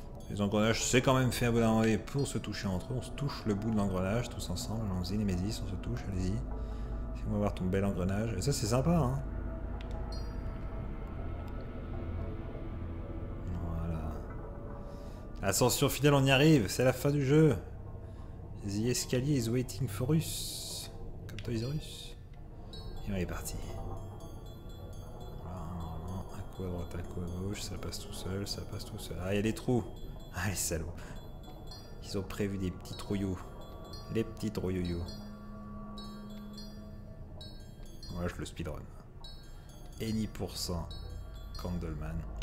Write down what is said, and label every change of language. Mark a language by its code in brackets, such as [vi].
[fr] Les engrenages, c'est quand même fait à bout d'un moment pour se toucher entre eux. On se touche le bout de l'engrenage tous ensemble. Allons-y, Némésis, on se touche, allez-y, fais-moi voir ton bel engrenage. Et ça, c'est sympa, hein. Ascension finale, on y arrive, c'est la fin du jeu. [en] The escalier is waiting for us. [fr] Comme Toys R Us. Et on est parti. Normalement, un coup à droite, un coup à gauche, ça passe tout seul, ça passe tout seul. Ah, il y a des trous. Ah, les salauds. Ils ont prévu des petits trouillous. Les petits trouillous. Moi, je le speedrun. Any% Candleman.